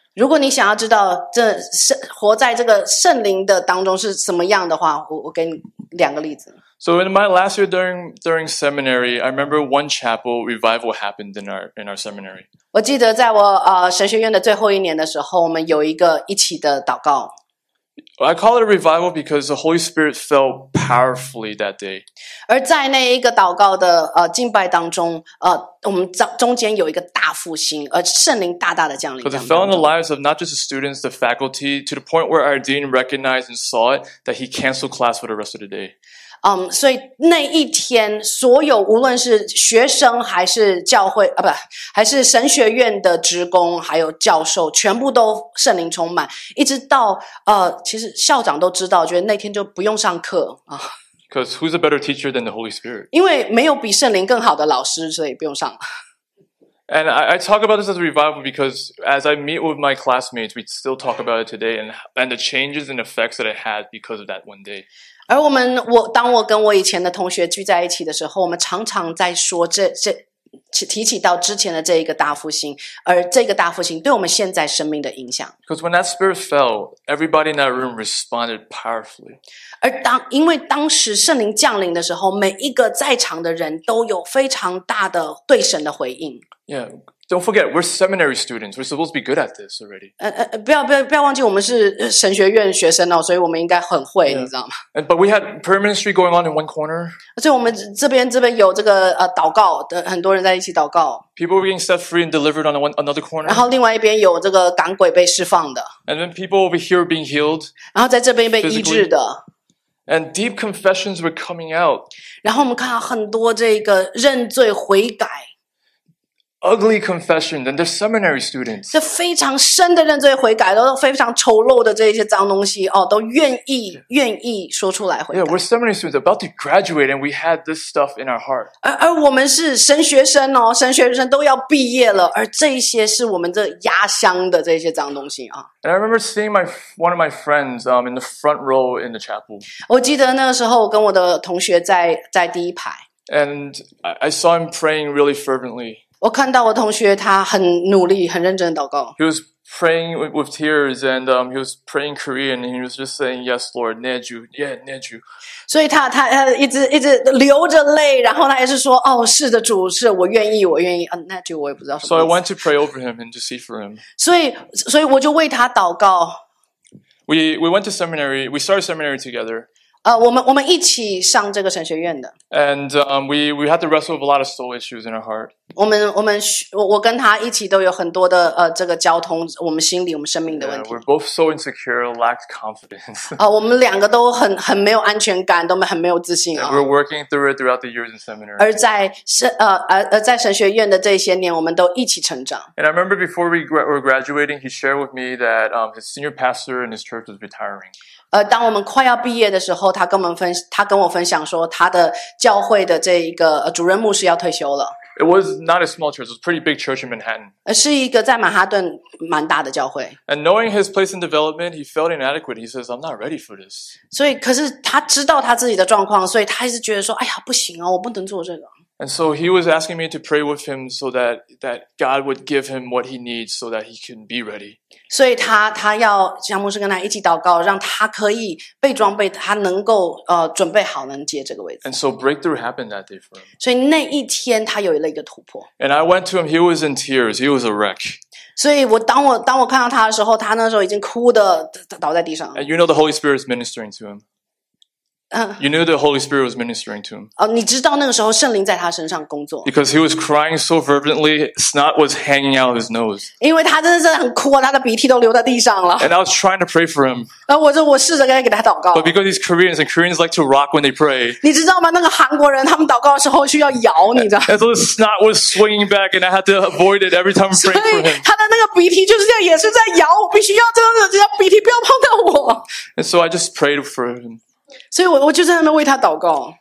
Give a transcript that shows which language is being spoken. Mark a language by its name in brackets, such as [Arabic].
[Chinese] 如果你想要知道这活在这个圣灵的当中是什么样的话，我给你两个例子。 [English] So in my last year during seminary, I remember one chapel revival happened in our seminary. [Chinese] 我记得在我神学院的最后一年的时候，我们有一个一起的祷告。 [English] I call it a revival because the Holy Spirit fell powerfully that day. [Chinese] 而在那一个祷告的敬拜当中，我们中间有一个大复兴，而圣灵大大的降临。 [English] Because it fell in the lives of not just the students, the faculty, to the point where our dean recognized and saw it, that he canceled class for the rest of the day. [Chinese] 所以那一天，所有无论是学生还是教会啊，不，还是神学院的职工，还有教授，全部都圣灵充满，一直到其实校长都知道，觉得那天就不用上课啊。 [English] Because who's a better teacher than the Holy Spirit? [Chinese] 因为没有比圣灵更好的老师，所以不用上。 [English] And I talk about this as a revival because as I meet with my classmates, we still talk about it today and the changes and effects that it had because of that one day. [Chinese] 而当我跟我以前的同学聚在一起的时候，我们常常在说这提起到之前的这一个大复兴，而这个大复兴对我们现在生命的影响。 [English] Because when that spirit fell, everybody in that room responded powerfully. [Chinese] 而因为当时圣灵降临的时候，每一个在场的人都有非常大的对神的回应。 [English] Yeah, Don't forget, we're seminary students. We're supposed to be good at this already. [Chinese] 不要忘记我们是神学院学生哦，所以我们应该很会，你知道吗？ [English] But we had prayer ministry going on in one corner. [Chinese] 所以我们这边有这个祷告的，很多人在一起祷告。 [English] People were being set free and delivered on another corner. [Chinese] 然后另外一边有这个赶鬼被释放的。 [English] And then people over here being healed. [Chinese] 然后在这边被医治的。 [English] And deep confessions were coming out. [Chinese] 然后我们看到很多这个认罪悔改。 [English] Ugly confession, and they're seminary students. [Chinese] 这非常深的认罪悔改，都非常丑陋的这些脏东西哦，都愿意说出来悔改。 [English] Yeah, we're seminary students about to graduate, and we had this stuff in our heart. [Chinese] 而我们是神学生哦，神学生都要毕业了，而这些是我们这压箱的这些脏东西啊。 [English] And I remember seeing one of my friends in the front row in the chapel. [Chinese] 我记得那个时候跟我的同学在第一排。 [English] And I saw him praying really fervently. [Chinese] 我看到我同学他很努力很认真的祷告。 [English] He was praying with tears and he was praying Korean and he was just saying, yes, Lord, Neju, yeah, Neju. [Chinese] 所以他一直流着泪然后他也是说哦是的主是我愿意 Neju 我也不知道什么。 [English] So I went to pray over him and to see for him. [Chinese] 所以我就为他祷告。 [English] We went to seminary, we started seminary together. [Chinese] 我们一起上这个神学院的。 [English] And we had to wrestle with a lot of soul issues in our heart. [Chinese] 我跟他一起都有很多的这个交通，我们心里我们生命的问题。 [English] Yeah, we're both so insecure, lacked confidence. [Chinese] 我们两个都很没有安全感，都很没有自信啊。 [English] Yeah, we're working through it throughout the years in seminary. [Chinese] 而在神学院的这些年，我们都一起成长。 [English] And I remember before we were graduating, he shared with me that his senior pastor in his church was retiring. [Chinese] 当我们快要毕业的时候他跟我分享说他的教会的这一个主任牧师要退休了。 [English] It was not a small church, it was a pretty big church in Manhattan. [Chinese] 是一个在曼哈顿蛮大的教会。 [English] And knowing his place in development, he felt inadequate. He says, I'm not ready for this. [Chinese] 所以可是他知道他自己的状况所以他还是觉得说哎呀不行啊我不能做这个。 [English] And so he was asking me to pray with him so that God would give him what he needs so that he can be ready. [Chinese] 所以他要像牧师跟他一起祷告让他可以被装备他能够准备好能接这个位置。 [English] And so breakthrough happened that day for him. [Chinese] 所以那一天他有了一个突破。 [English] And I went to him, he was in tears, he was a wreck. [Chinese] 所以当我看到他的时候他那时候已经哭得倒在地上。 [English] And you know the Holy Spirit is ministering to him. You knew the Holy Spirit was ministering to him. [Chinese] 你知道那个时候圣灵在他身上工作。 [English] Because he was crying so fervently, snot was hanging out of his nose. [Chinese] 因为他真的是很哭啊，他的鼻涕都流在地上了。 [English] And I was trying to pray for him. [Chinese] 我试着跟他给他祷告。 [English] But because he's Koreans, and Koreans like to rock when they pray. [Chinese] 你知道吗？那个韩国人他们祷告的时候需要摇，你知道。 [English] And so the snot was swinging back, and I had to avoid it every time I prayed for him. [Chinese] 他的那个鼻涕就是这样，也是在摇，我必须要这个鼻涕不要碰到我。 [English] And so I just prayed for him. [Chinese] 所以我就在那边为他祷告。